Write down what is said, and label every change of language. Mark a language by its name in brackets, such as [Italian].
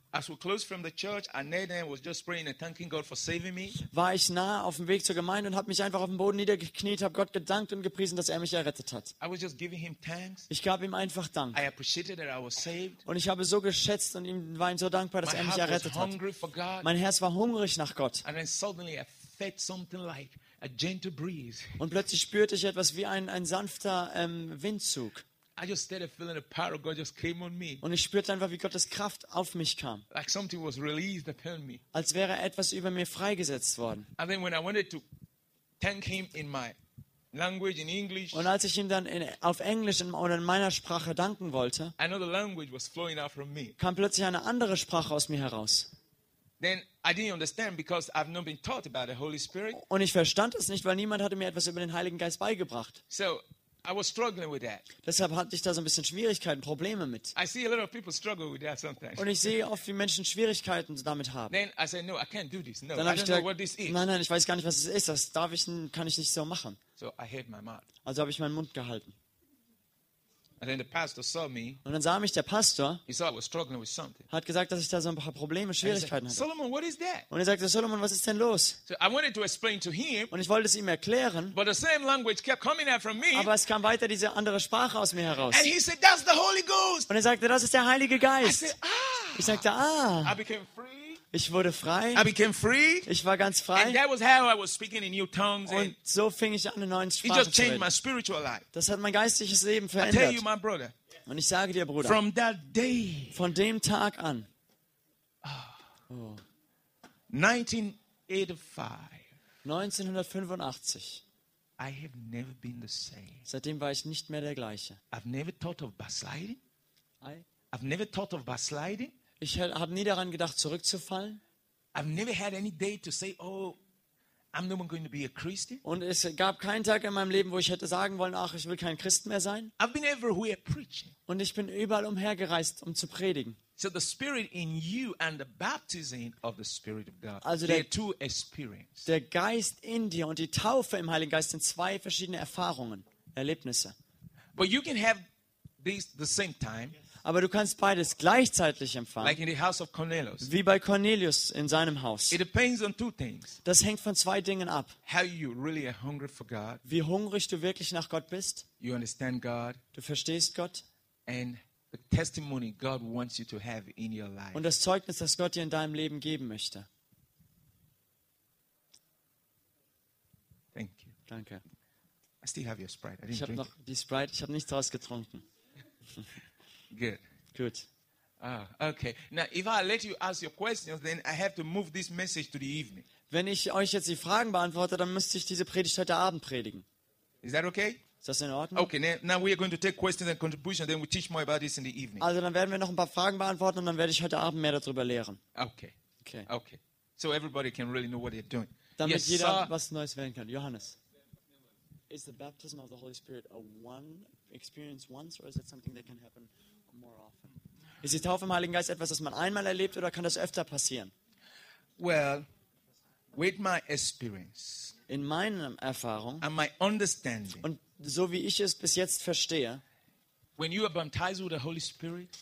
[English] as we closed from the church, Anede was just praying and thanking God for saving me. [German] War ich nah auf dem Weg zur Gemeinde und habe mich einfach auf dem Boden niedergekniet, habe Gott gedankt und gepriesen, dass er mich errettet hat. [English] I was just giving him thanks. [German] Ich gab ihm einfach Dank. [English] I appreciated that I was saved. [German] Und ich habe so geschätzt und ihm war ihm so dankbar, dass er mich errettet hat. Mein Herz war hungrig nach Gott. [English] And then suddenly I felt something like a gentle breeze. [German] Und plötzlich spürte ich etwas wie ein sanfter Windzug. [English] I just started feeling the power of God just came on me. [German] Und ich spürte einfach, wie Gottes Kraft auf mich kam. [English] Like something was released upon me. [German] Als wäre etwas über mir freigesetzt worden. [English] And then when I wanted to thank him in my language, in English, [German] und als ich ihm dann auf Englisch oder in meiner Sprache danken wollte, [English] another language was flowing out from me. [German] Kam plötzlich eine andere Sprache aus mir heraus. [English] Then I didn't understand because I've not been taught about the Holy Spirit. [German] Und ich verstand es nicht, weil niemand hatte mir etwas über den Heiligen Geist beigebracht. [English] So I was struggling with that. [German] Deshalb hatte ich da so ein bisschen Schwierigkeiten, Probleme mit. [English] I see a lot of people struggle with that sometimes. [German] Und ich sehe oft, wie Menschen Schwierigkeiten damit haben. [English] Then I said, no, I can't do this. No, I don't know what this is. [German] Nein, ich weiß gar nicht, was es ist. Das darf ich, kann ich nicht so machen. [English] So I held my mouth. [German] Also habe ich meinen Mund gehalten. [English] And then the pastor saw me. [German] Und dann sah mich der Pastor. [English] He saw I was struggling with something. [German] Hat gesagt, dass ich da so ein paar Probleme, Schwierigkeiten hatte. [English] Solomon, what is that? [German] Und er sagte, Solomon, was ist denn los? [English] So I wanted to explain to him. [German] Und ich wollte es ihm erklären. [English] But the same language kept coming out from me. [German] Aber es kam weiter diese andere Sprache aus mir heraus. [English] And he said, that's the Holy Ghost. [German] Und er sagte, das ist der Heilige Geist. [English] I said, ah. [German] Ich sagte, ah. [English] I became free. [German] Ich wurde frei. [English] I became free. [German] Ich war ganz frei. [English] And that was how I was speaking in new tongues. [German] Und so fing ich an, in neuen Sprachen zu reden. [English] It just changed my spiritual life. [German] Das hat mein geistliches Leben verändert. [English] I tell you, my brother. [German] Und ich sage dir, Bruder. [English] From that day. [German] Von dem Tag an. [English] Oh. 1985. I have never been the same. [German] Seitdem war ich nicht mehr der gleiche. [English] I've never thought of backsliding. I've never thought of backsliding. [German] Ich habe nie daran gedacht, zurückzufallen. [English] I've never had any day to say, oh, I'm no going to be a Christian. [German] Und es gab keinen Tag in meinem Leben, wo ich hätte sagen wollen, ach, ich will kein Christ mehr sein. [English] I've been everywhere preaching. [German] Und ich bin überall umhergereist, um zu predigen. [English] So the Spirit in you and the baptism of the Spirit of God. [German] Also [English] they're two experiences. [German] Der Geist in dir und die Taufe im Heiligen Geist sind zwei verschiedene Erfahrungen, Erlebnisse. [English] But you can have these the same time. [German] Aber du kannst beides gleichzeitig empfangen. [English] Like in the house of Cornelius. [German] Wie bei Cornelius in seinem Haus. [English] It depends on two things. [German] Das hängt von zwei Dingen ab. [English] How you really are hungry for God. [German] Wie hungrig du wirklich nach Gott bist. [English] You understand God. [German] Du verstehst Gott. [English] And the testimony God wants you to have in your life. [German] Und das Zeugnis, das Gott dir in deinem Leben geben möchte. [English] Thank you. [German] Danke. [English] I still have your Sprite. I didn't [German] ich habe noch die Sprite. Ich habe nichts draus getrunken. [English] Good. Okay. Now, if I let you ask your questions, then I have to move this message to the evening. [German] Wenn ich euch jetzt die Fragen beantworte, dann müsste ich diese Predigt heute Abend predigen. [English] Is that okay? [German] Ist das in Ordnung? [English] Okay. Now we are going to take questions and contributions, then we teach more about this in the evening. [German] Also dann werden wir noch ein paar Fragen beantworten und dann werde ich heute Abend mehr darüber lehren. [English] Okay. So everybody can really know what they're doing. [German] Damit yes, jeder sir. Was Neues werden kann. Johannes. [English] Is the baptism of the Holy Spirit a one experience once, or is it something that can happen? More often. [German] Ist die Taufe im Heiligen Geist etwas, das man einmal erlebt, oder kann das öfter passieren? [English] Well, with my experience, [German] in meiner Erfahrung [English] and my understanding, [German] und so wie ich es bis jetzt verstehe, [English] when you are baptized with the Holy Spirit,